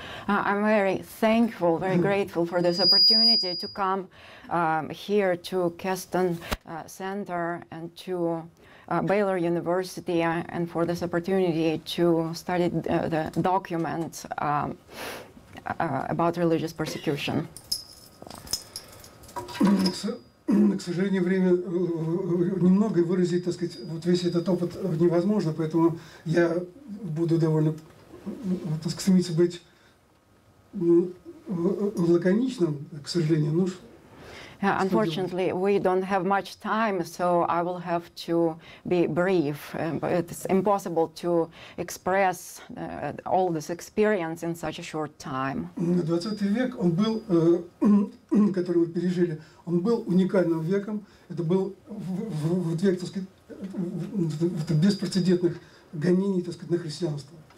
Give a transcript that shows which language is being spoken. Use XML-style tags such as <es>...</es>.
<en>I'm very thankful, very grateful for this opportunity to come here to Keston Center and to Baylor University and for this opportunity to study the documents about religious persecution.</en> <ru>К сожалению, время немного, и выразить, так сказать, вот весь этот опыт невозможно, поэтому я буду довольно, так сказать, стремиться быть лаконичным, к сожалению, ну</ru> <en>Unfortunately, we don't have much time, so I will have to be brief. It's impossible to express all this experience in such a short time.</en> <ru>20 век, он был, который мы пережили, он был уникальным веком. Это был век, так сказать, беспрецедентных гонений, так сказать, на христианство.</ru>